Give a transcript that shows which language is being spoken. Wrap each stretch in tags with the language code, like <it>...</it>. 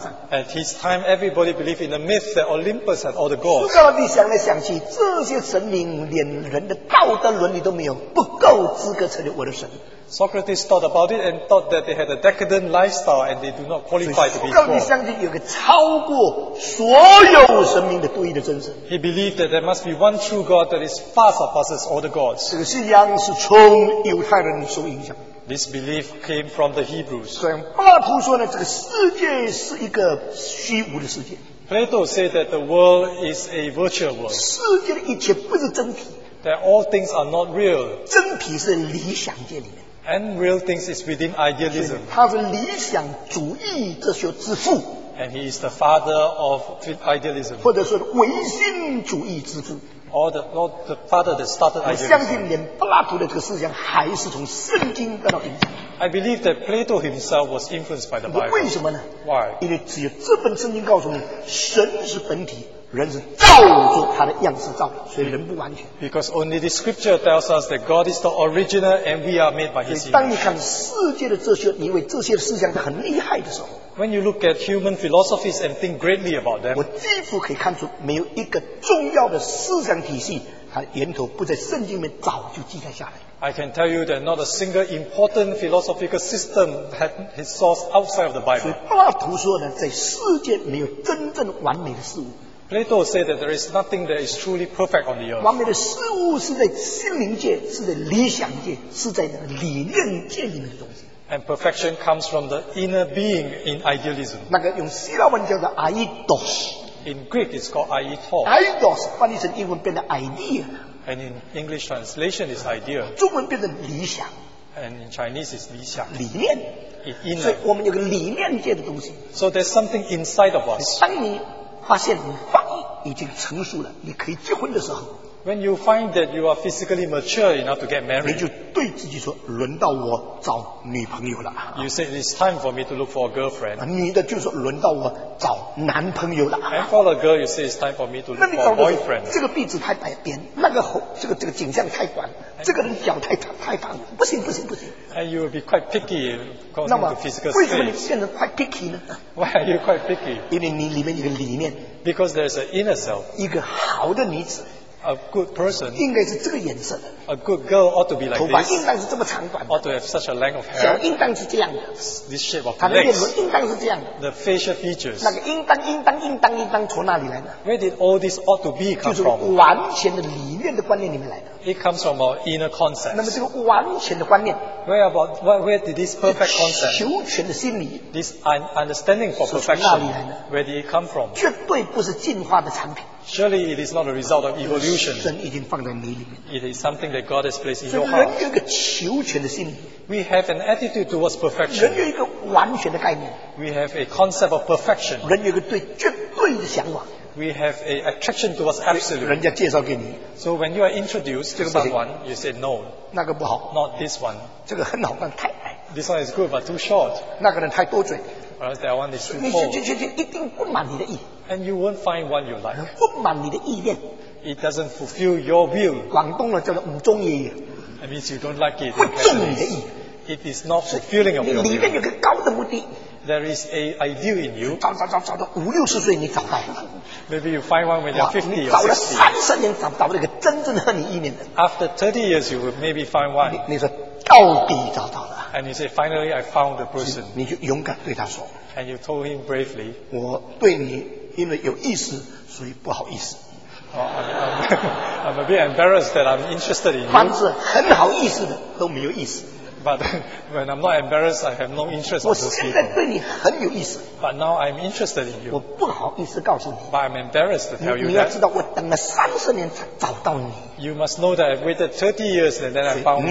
<en>At his time, everybody believed in the myth that Olympus had all the gods.</en> <zh>苏格拉底想来想去，这些神明连人的道德伦理都没有，不够资格成为我的神。</zh> <en>Socrates thought about it and thought that they had a decadent lifestyle and they do not qualify to be God.</en> <zh>苏格拉底相信有个超过所有神明的独一的真神。</zh> <en>He believed that there must be one true God that is far surpasses all the gods.</en> <zh>这个信仰是从犹太人受影响。</zh> <en>This belief came from the Hebrews.</en> <zh>所以柏拉图说呢，这个世界是一个虚无的世界。</zh> <en>Plato said that the world is a virtual world.</en> <zh>世界的一切不是真体。</zh> <en>That all things are not real.</en> <zh>真体是理想界里面。</zh> <en>And real things is within idealism.</en> <zh>他是理想主义哲学之父。</zh> <en>And he is the father of idealism.</en> <zh>或者说唯心主义之父。</zh> <en>Or the father that started idealism.</en> <zh>我相信连柏拉图的这个思想还是从圣经得到影响。</zh> <en>I believe that Plato himself was influenced by the Bible.</en> <zh>为什么呢</zh> <en>？Why?</en> <zh>因为只有这本圣经告诉你，神是本体。人是造作他的样式造，所以人不完全。</zh> <en>Because only the scripture tells us that God is the original and we are made by His image.</en> <zh>所以当你看世界的哲学，你以为这些思想很厉害的时候</zh> <en>，When you look at human philosophies and think greatly about them，</en> <zh>我几乎可以看出没有一个重要的思想体系，它的源头不在圣经里面早就记载下来。</zh> <en>I can tell you that not a single important philosophical system had its source outside of the Bible.</en> <zh>所以柏拉图说呢，在世界没有真正完美的事物。</zh> <en>Plato said that there is nothing that is truly perfect on the earth.</en> <zh>完美的事物是在心灵界，是在理想界，是在理念界里面的东西。</zh> <en>And perfection comes from the inner being in idealism.</en> <zh>那个用希腊文叫做 eidos.</zh> <en>In Greek, it's called eidos.</en> <zh>Eidos 翻译成英文变成 idea.</zh> <en>And in English translation, it's idea.</en> <zh>中文变成理想。</zh> <en>And in Chinese, it's 理想。</en> <zh>理念。</zh> <en>In</en> <zh>所以我们有个理念界的东西。</zh> <en>So there's something inside of us.</en> <zh>当你发现你方已经成熟了，你可以结婚的时候</zh> <en>，When you find that you are physically mature enough to get married，</en> <zh>你就对自己说，轮到我找女朋友了。</zh> <en>You say it's time for me to look for a girlfriend。</en> <zh>女的就说，轮到我找男朋友了。</zh> <en>And for the girl, you say it's time for me to look for a boyfriend。</en> <zh>这个壁纸太白边，那个红，这个景象太短，这个人脚太胖，不行不行不行。</zh> <en>And you will be quite picky because of the physical space.</en> <zh>那么为什么你现在</zh> <en>quite picky</en> <zh>呢？</zh> <en>Why are you quite picky?</en> <zh>因为你里面有个理念。</zh> <en>Because there's an inner self.</en> <zh>一个好的女子。</zh> <en>A good person.</en> <zh>应该是这个颜色。</zh> <en>A good girl ought to be like this.</en> <zh>头发应当是这么长短。</zh> <en>Ought to have such a length of hair.</en> <zh>脚应当是这样的。</zh> <en>This shape of legs.</en> <zh>他的脸轮应当是这样的。</zh> <en>The facial features.</en> <zh>那个应当从哪里来的？</zh> <en>Where did all this ought to be come from?</en> <zh>就是完全的理念的观念里面来的。</zh> <en>It comes from our inner concept.</en> <zh>那么这个完全的观念。</zh> <en>Where did this perfect concept?</en> <zh>求全的心理。</zh> <en>This understanding for perfection.</en> <zh>是从哪里来的？</zh> <en>Where did it come from?</en> <zh>绝对不是进化的产品。</zh> <en>Surely it is not a result of evolution.</en> <zh>神已经放在你里面。</zh> <en>It is something that God has placed in your heart.</en> <zh>人有一个求全的心理。</zh> <en>We have an attitude towards perfection.</en> <zh>人有一个完全的概念。</zh> <en>We have a concept of perfection.</en> <zh>人有一个对绝对的向往。</zh> <en>We have an attraction towards absolute.</en> <zh>人家介绍给你。</zh> <en>So when you are introduced to someone, you say no.</en> <zh>那个不好。</zh> <en>Not this one.</en> <zh>这个很好，但太矮。</zh> <en>This one is good but too short.</en> <zh>那个人太多嘴。</zh> <en>Or else that one is too bold.</en> <zh>你一定不满你的意。</zh> <en>And you won't find one you like.</en> <zh>不满你的意念。</zh> <en>It doesn't fulfill your will.</en> <zh>广东人叫做五中爷爷。</zh> <en>That means you don't like it.</en> <zh>不重你的意。</zh> <en>It is not fulfilling of your</en> <zh>你里面有个高的目的。</zh> <en>There is an ideal in you.</en> <zh>找到五六十岁你找到了。</zh> <en>Maybe you find one when you're 50 or 60.</en> <zh>你找了三十年找到那个真正和你一年的。</zh> <en>After 30 years you will maybe find one.</en> <zh>你说到底找到了。</zh> <en>And you say, finally I found the person.</en> <zh>你就勇敢对他说。</zh> <en>And you told him bravely.</en> <zh>我对你因为有意思, 所以不好意思。</zh> <en>Oh, I'm a bit embarrassed that I'm interested in you.</en> <zh>凡是很好意思的都没有意思。</zh> <en>But when I'm not embarrassed, I have no interest in those people.</en> <zh>我现在对你很有意思。</zh> <en>But now I'm interested in you.</en> <zh>我不好意思告诉你。</zh> <en>But I'm embarrassed to tell you that.</en> <zh>你要知道我等了30年才找到你。</zh> <en>You must know that I've waited 30 years and then I found you.</en>